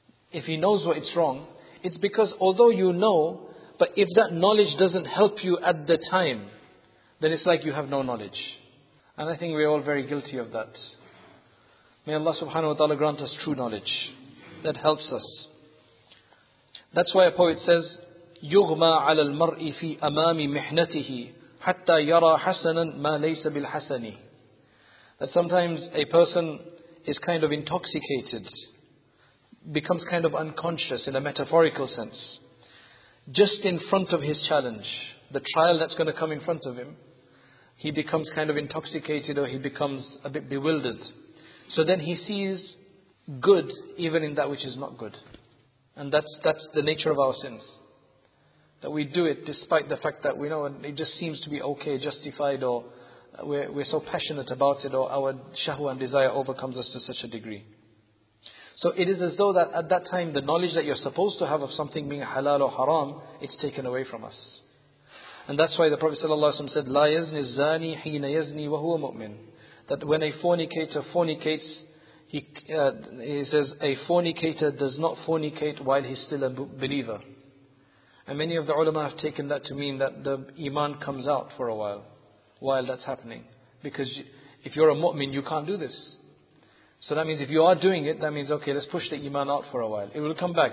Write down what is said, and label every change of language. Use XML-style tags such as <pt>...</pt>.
<en>If he knows what it's wrong, it's because although you know, but if that knowledge doesn't help you at the time, then it's like you have no knowledge. And I think we're all very guilty of that. May Allah subhanahu wa ta'ala grant us true knowledge that helps us. That's why a poet says,</en> <ar>يُغْمَى عَلَى الْمَرْءِ فِي أَمَامِ مِحْنَتِهِ حَتَّى يَرَى حَسَنًا مَا لَيْسَ بِالْحَسَنِ.</ar> <en>That sometimes a person is kind of intoxicated, becomes kind of unconscious in a metaphorical sense, just in front of his challenge, the trial that's going to come in front of him, he becomes kind of intoxicated or he becomes a bit bewildered. So then he sees good even in that which is not good. And that's the nature of our sins. That we do it despite the fact that we know and it just seems to be okay, justified, or we're so passionate about it, or our shahwa and desire overcomes us to such a degree. So it is as though that at that time the knowledge that you're supposed to have of something being halal or haram, it's taken away from us. And that's why the Prophet ﷺ said,</en> <ar>لا يزني الزاني حين يزني وهو مؤمن.</ar> <en>That when a fornicator fornicates, he says, a fornicator does not fornicate while he's still a believer. And many of the ulama have taken that to mean that the iman comes out for a while that's happening. Because if you're a mu'min, you can't do this. So that means if you are doing it, that means, okay, let's push the iman out for a while. It will come back.</en>